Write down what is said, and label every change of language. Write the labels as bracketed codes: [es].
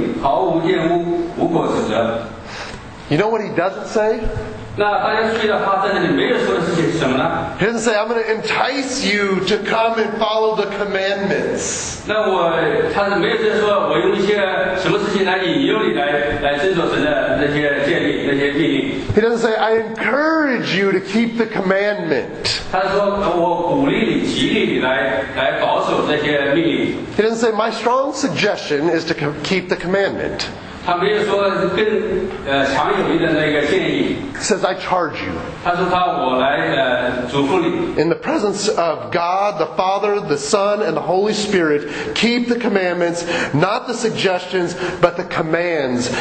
[zh] 现在向本丢比拉多做过那美好见证的耶稣基督面前嘱咐你，你要守着这命令，毫无玷污，无过指责。 [en] You know what he doesn't say? [zh] 那大家注意到他在这里没有说的事情是什么呢？ [en] He doesn't say, I'm going to entice you to come and follow the commandments. [zh] 那他没有说我用一些什么事情来引诱你来遵守神的那些诫命，那些命令。 [en] He doesn't say, I encourage you to keep the commandment. [zh] 他说我鼓励你，极力你来保守这些命令。 [en] He doesn't say, my strong suggestion is to keep the commandment. [zh] 他没有说更强有力的那个建议。 [en] He says, I charge you. [zh] 他说我来嘱咐你。 [en] In the presence of God, the Father, the Son, and the Holy Spirit, keep the commandments, not the suggestions, but the commands.